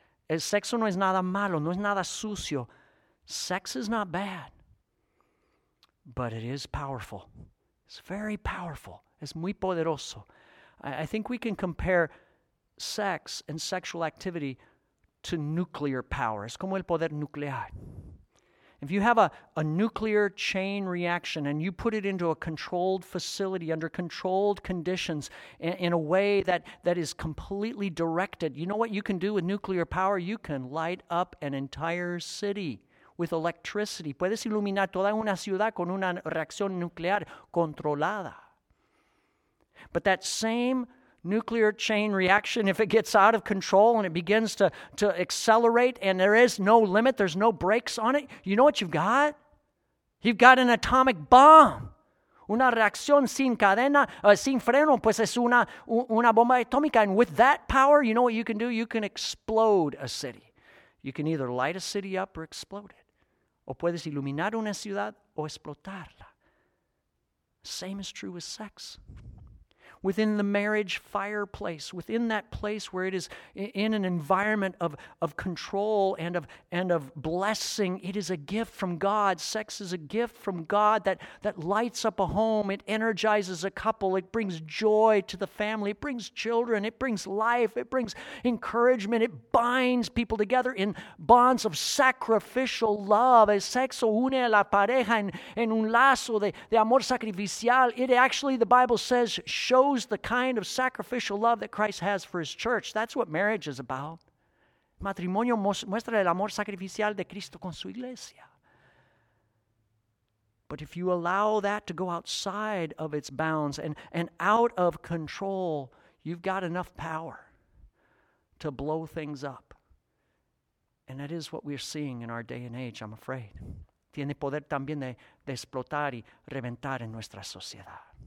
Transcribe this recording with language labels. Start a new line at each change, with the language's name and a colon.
Spanish: El sexo no es nada malo, no es nada sucio.
English: Sex is not bad, but it is powerful. It's very powerful.
Spanish: Es muy poderoso.
English: I think we can compare sex and sexual activity to nuclear power.
Spanish: Es como el poder nuclear.
English: If you have a nuclear chain reaction and you put it into a controlled facility under controlled conditions in a way that is completely directed, you know what you can do with nuclear power? You can light up an entire city with electricity.
Spanish: Puedes iluminar toda una ciudad con una reacción nuclear controlada.
English: But that same nuclear chain reaction, if it gets out of control and it begins to accelerate and there is no limit, there's no brakes on it, you know what you've got? You've got an atomic bomb.
Spanish: Una reacción sin cadena, sin freno, pues es una bomba atómica.
English: And with that power, you know what you can do? You can explode a city. You can either light a city up or explode it.
Spanish: O puedes iluminar una ciudad o explotarla.
English: Same is true with sex. Within the marriage fireplace, within that place where it is in an environment of control and of blessing, it is a gift from God. Sex is a gift from God that lights up a home. It energizes a couple. It brings joy to the family. It brings children. It brings life. It brings encouragement. It binds people together in bonds of sacrificial love.
Spanish: El sexo une a la pareja en un lazo de amor sacrificial.
English: It actually, the Bible says, shows the kind of sacrificial love that Christ has for his church. That's what marriage is about.
Spanish: Matrimonio muestra el amor sacrificial de Cristo con su iglesia.
English: But if you allow that to go outside of its bounds and out of control, you've got enough power to blow things up. And that is what we're seeing in our day and age, I'm afraid.
Spanish: Tiene poder también de explotar y reventar en nuestra sociedad.